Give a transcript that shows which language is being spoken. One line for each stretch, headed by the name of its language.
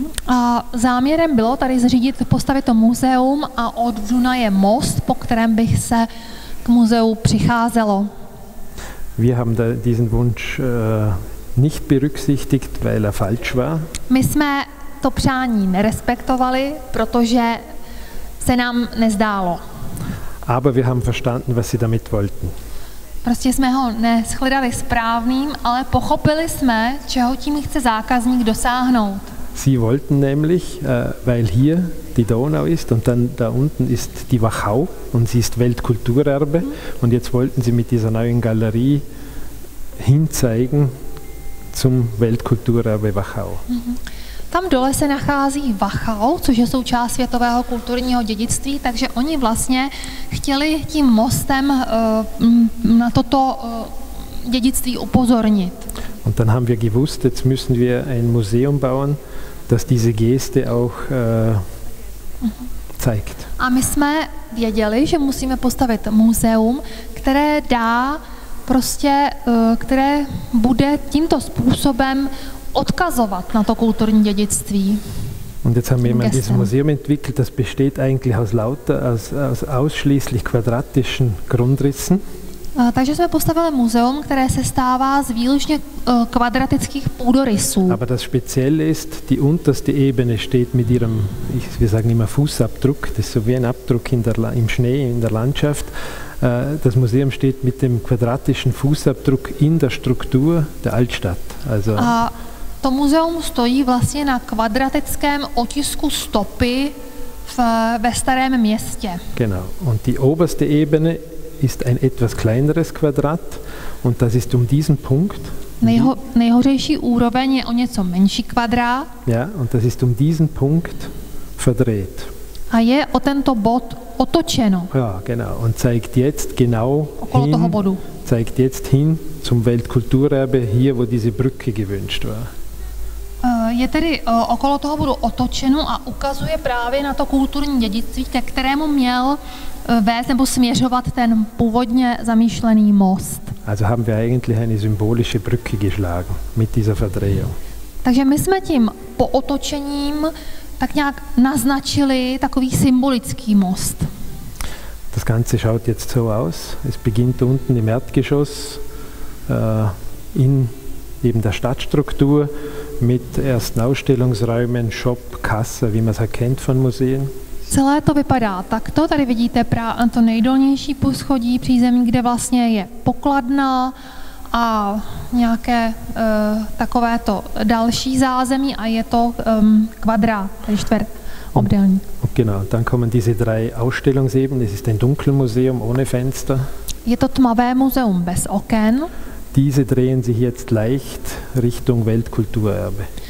Czech: A záměrem bylo tady zřídit, postavit to muzeum a od Dunaje most, po kterém bych se k muzeu přicházelo.
German: Wir haben diesen Wunsch nicht berücksichtigt, weil er falsch war.
Czech: My jsme to přání nerespektovali, protože se nám nezdálo.
German: Aber wir haben verstanden, was sie damit wollten.
Czech: Prostě jsme ho neschledali správným, ale pochopili jsme, čeho tím chce zákazník dosáhnout.
German: Sie wollten nämlich, weil hier die Donau ist und dann da unten ist die Wachau und sie ist Weltkulturerbe und jetzt wollten sie mit dieser neuen Galerie hinzeigen zum Weltkulturerbe Wachau.
Czech: Tam dole se nachází Wachau, což je součást světového kulturního dědictví, takže oni vlastně chtěli tím mostem na toto dědictví upozornit.
German: Und dann haben wir gewusst, jetzt müssen wir ein Museum bauen, das diese Geste auch zeigt.
Czech: A my jsme věděli, že musíme postavit muzeum, které dá prostě, které bude tímto způsobem odkazovat na to kulturní dědictví.
German: Und jetzt haben wir immer dieses Museum entwickelt, das besteht eigentlich aus ausschließlich quadratischen Grundrissen.
Czech: Takže jsme postavili muzeum, které se stává z výlučně kvadratických půdorysů.
German: Aber das Spezielle ist, die unterste Ebene steht mit ihrem, wir sagen immer Fußabdruck, das ist so wie ein Abdruck im Schnee, in der Landschaft. Das Museum steht mit dem quadratischen Fußabdruck in der Struktur der Altstadt. Also
Czech: To muzeum stojí vlastně na kvadratickém otisku stopy ve starém městě.
German: Genau. Und die oberste Ebene ist ein etwas kleineres Quadrat und das ist um diesen Punkt.
Czech: Nejhořejší úroveň je o něco menší kvadrát.
German: Ja, und das ist um diesen Punkt verdreht.
Czech: A je o tento bod otočeno.
German: Ja, genau. Und zeigt jetzt genau
Czech: okolo hin, toho bodu.
German: Zeigt jetzt hin zum Weltkulturerbe hier, wo diese Brücke gewünscht war.
Czech: Je tedy okolo toho bodu otočeno a ukazuje právě na to kulturní dědictví, ke kterému měl vést nebo směřovat ten původně zamýšlený most.
German: Also haben wir eigentlich eine symbolische Brücke geschlagen mit dieser Verdrehung.
Czech: Takže my jsme tím po otočením tak nějak naznačili takový symbolický most.
German: Das Ganze schaut jetzt so aus. Es beginnt unten im Erdgeschoss in eben der Stadtstruktur mit ersten Ausstellungsräumen, Shop, Kasse, wie man es erkennt von Museen.
Czech: Celé to vypadá takto. Tady vidíte právě to nejdolnější poschodí přízemí, kde vlastně je pokladna a nějaké takové to další zázemí a je to kvadrát, tedy čtvrt obdélník.
German: Oh, genau, dann kommen diese drei Ausstellungsebenen. Es ist ein Dunkelmuseum ohne Fenster.
Czech: Je to tmavé muzeum bez oken.
German: Diese drehen sich jetzt leicht Richtung Weltkulturerbe.